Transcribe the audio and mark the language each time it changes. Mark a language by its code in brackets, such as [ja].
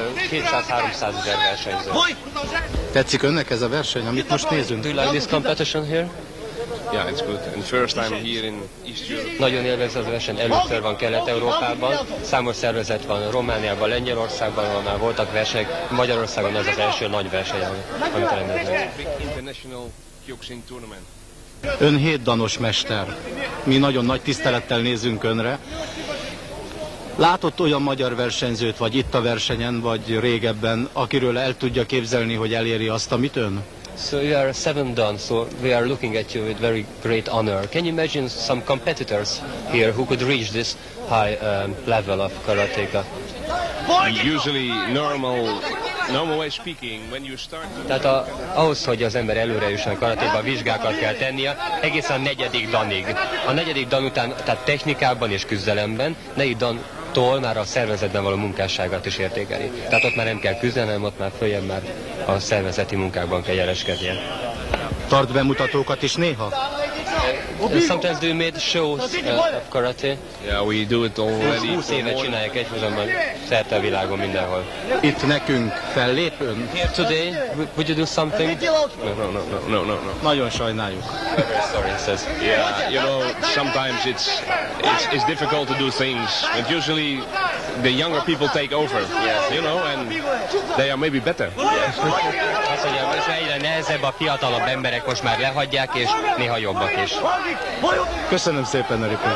[hu] Két-három-százezer versenyző. Tetszik önnek ez a verseny, amit most nézünk? [en] Do you like this competition here? Yeah, it's good. And first time here in East Europe. [hu] Nagyon élvezze a verseny. Először van Kelet-Európában. Számos szervezet van Romániában, Lengyelországban, ahol már voltak versenyek. Magyarországon az az első nagy verseny, amit rendeznek. [en] International [hu] Kyokushin Tournament. Ön hétdanos mester. Mi nagyon nagy tisztelettel nézünk önre. Látott olyan magyar versenyzőt, vagy itt a versenyen, vagy régebben, akiről el tudja képzelni, hogy eléri azt, amit ön? [en] So you are seven done, so we are looking at you with very great honor. Can you imagine some competitors here who could reach this high level of karateka? Usually normal way speaking, when you start to... [hu] Tehát ahhoz, hogy az ember előre jusson a karatéba, vizsgákat kell tennie egészen a negyedik danig. A negyedik dan után, tehát technikában és küzdelemben, negyedik dantól már a szervezetben való munkásságát is értékeli. Tehát ott már nem kell küzdenem, ott már följebb már a szervezeti munkákban kell jeleskednie. Tart bemutatókat is néha? [en] Sometimes do you make shows of karate? Yeah, we do it already. [hu] 20 éve csinálják egyhozamban, szerte a világon mindenhol. Itt nekünk fellép ön? [en] Here today, would you do something? No. [hu] Nagyon sajnáljuk. [en] Sorry, says. Yeah, you know, sometimes it's difficult to do things, but usually the younger people take over, you know, and they are maybe better. [hu] Azt mondja, most egyre nehezebb, a fiatalabb emberek most már lehagyják, és néha jobbak is. Köszönöm szépen a riport.